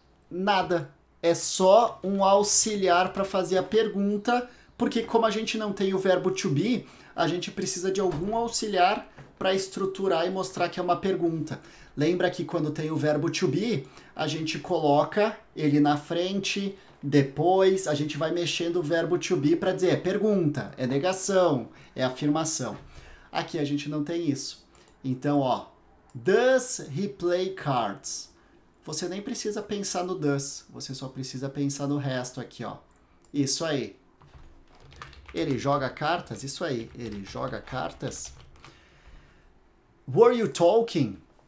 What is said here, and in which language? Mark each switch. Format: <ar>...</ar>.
<pt>Nada. É só um auxiliar para fazer a pergunta, porque como a gente não tem o verbo to be, a gente precisa de algum auxiliar para estruturar e mostrar que é uma pergunta. Lembra que quando tem o verbo to be, a gente coloca ele na frente, depois a gente vai mexendo o verbo to be para dizer é pergunta, é negação, é afirmação. Aqui a gente não tem isso. Então, ó,</pt> <en>does he play cards?</en> <pt>Você nem precisa pensar no does, você só precisa pensar no resto aqui, ó. Isso aí. Ele joga cartas? Isso aí. Ele joga cartas?</pt> <en>Were you talking?</en>